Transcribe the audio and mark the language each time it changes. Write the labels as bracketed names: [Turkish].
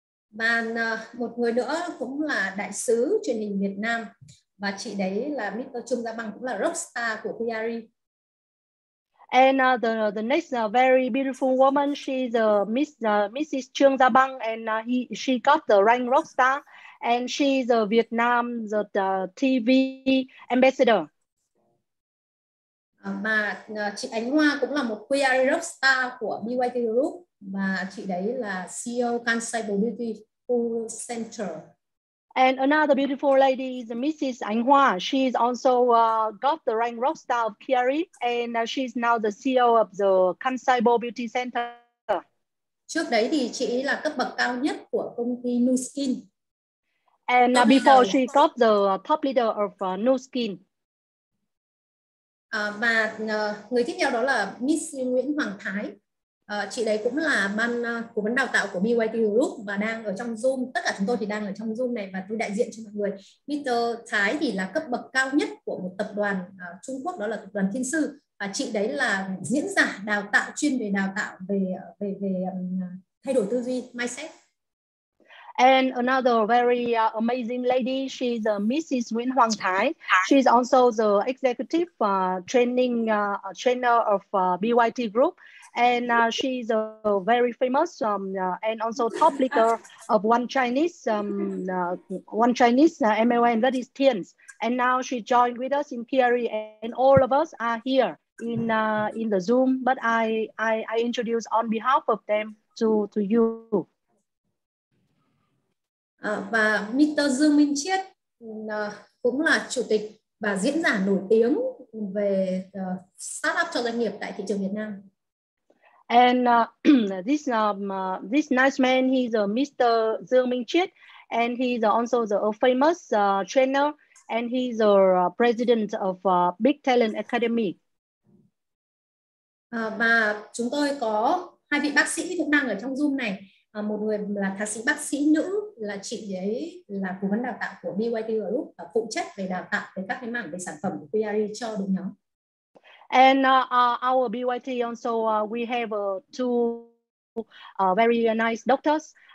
[Vietnamese] Và một người nữa cũng là đại sứ truyền hình Việt Nam, và chị đấy là Mr. Trung Gia Băng, cũng là rockstar của PRI. [English] And the next very beautiful woman, she's Mrs. Trương Gia Băng, and she got the rank rock star, and she's a Vietnam the TV ambassador. [Vietnamese] Mà chị Ánh Hoa cũng là một queer rock star của BYT Group, và chị đấy là CEO Kansai Beauty Full Center. [English] And another beautiful lady is Mrs. Anh Hoa. She's also got the rank rock star of Kiari, and she's now the CEO of the Kansai Bo Beauty Center. [Vietnamese] Trước đấy thì chị là cấp bậc cao nhất của công ty Nu Skin. [English] And before she got the top leader of Nu Skin. [Vietnamese] Và người tiếp theo đó là Miss Nguyễn Hoàng Thái. Chị đấy cũng là ban cố vấn đào tạo của BYT Group và đang ở trong Zoom. Tất cả chúng tôi thì đang ở trong Zoom này và tôi đại diện cho mọi người. Mr. Thái thì là cấp bậc cao nhất của một tập đoàn Trung Quốc, đó là tập đoàn Thiên Sư. Và chị đấy là diễn giả đào tạo chuyên về đào tạo về thay đổi tư duy, mindset. [English] And another very amazing lady, she's Mrs. Nguyễn Hoàng Thái. She's also the executive trainer of BYT Group. And she's a very famous and also top leader of one Chinese MLM, that is Tien's. And now she joined with us in Kiari, and all of us are here in the Zoom, but I introduce on behalf of them to you. [Vietnamese] Và Mr. Dương Minh Chiết cũng là chủ tịch và diễn giả nổi tiếng về startup cho doanh nghiệp tại thị trường Việt Nam. [English] And this nice man, he's Mr. Dương Minh Chiết, and he's also a famous trainer, and he's a president of Big Talent Academy. [Vietnamese] Và chúng tôi có hai vị bác sĩ cũng đang ở trong Zoom này. Một người là thạc sĩ bác sĩ nữ, là chị ấy là cố vấn đào tạo của BYT Group, phụ trách về đào tạo về các cái mảng về sản phẩm của PRI cho đội nhóm. [English] And our BYT also we have two very nice doctors.